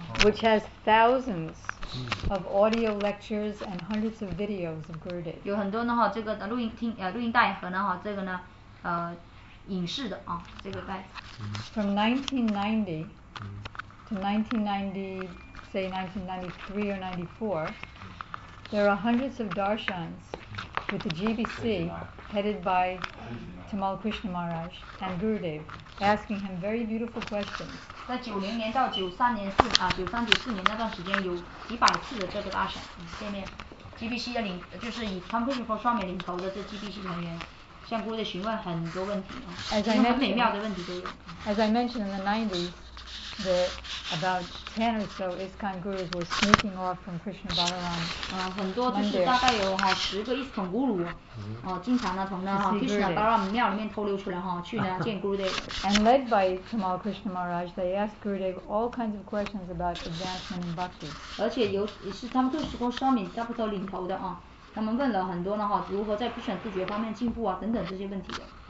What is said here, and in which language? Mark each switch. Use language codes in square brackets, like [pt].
[en] Which has thousands of audio lectures and hundreds of videos of Gurudev. [zh] 有很多呢哈，这个录音听录音带和呢哈这个呢影视的啊这个带。 [en] From 1990 to 1990, say 1993 or 94, there are hundreds of darshans with the GBC headed by Tamal Krishna Maharaj and Gurudev, asking him very beautiful questions. [zh] 在九零年到九三年四啊九三九四年那段时间，有几百次的这个大神见面 ，GBC 的领就是以 Tamakrishna Goswami 领头的这 GBC 成员，向 Guru Dev 询问很多问题啊，很美妙的问题都有。 [en] As I mentioned in the 90s, the about 10 or so ISKCON gurus were sneaking off from Krishna Balaram. [zh] 很多就是大概有哈十个 ISKCON guru， 经常呢从呢哈 Krishna Balaram 庙里面偷溜出来哈，去呢见 Guru Dev。 [en] And led by Tamal Krishna Maharaj, they asked Guru Dev all kinds of questions about advancement in bhakti. [zh] 而且由是他们都是从上面差不多领头的啊，他们问了很多呢哈，如何在 Krishna 自觉方面进步啊等等这些问题的。